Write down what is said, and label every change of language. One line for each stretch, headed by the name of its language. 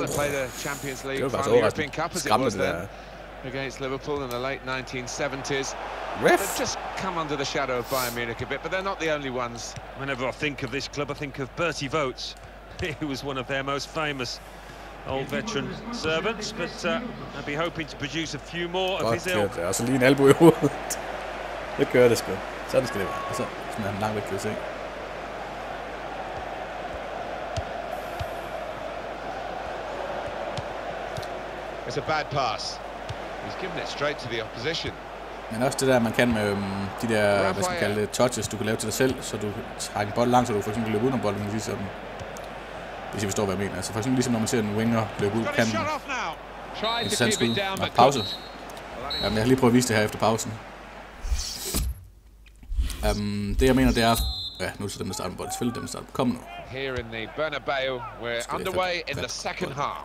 English: They played the Champions League final, European Cup as it was then. Against Liverpool in the late 1970s. Riff. They've just come under the shadow of Bayern Munich a bit, but they're not the only ones. Whenever I think of this club, I think of Bertie Vogts. He was one of their most famous old veteran servants, but I'd be hoping to produce a few more of
Danish: God,
English: his ilk.
Danish: Godt, altså lige en albu i hovedet. Det kører det sgu. Sådan skal det være. Altså, sådan er han langt væk, kan vi se.
English: It's a bad pass. He's given it straight to the opposition.
Danish: Men også det der, man kan med de der, hvad skal man kalde det, touches, du kan lave til dig selv, så du trækker en bold langt, så du for eksempel løber uden om bolden, lige sådan, hvis I forstår, hvad jeg mener. Altså for eksempel ligesom, når man ser en winger løbe ud på kanten, interessant skud, og pause. Jamen, jeg har lige prøvet at vise det her efter pausen. Det jeg mener, det er, ja, nu er det dem, der starter med bolden, selvfølgelig dem, der starter. Kom nu.
English: Here in the Bernabeu, we're underway in the second half.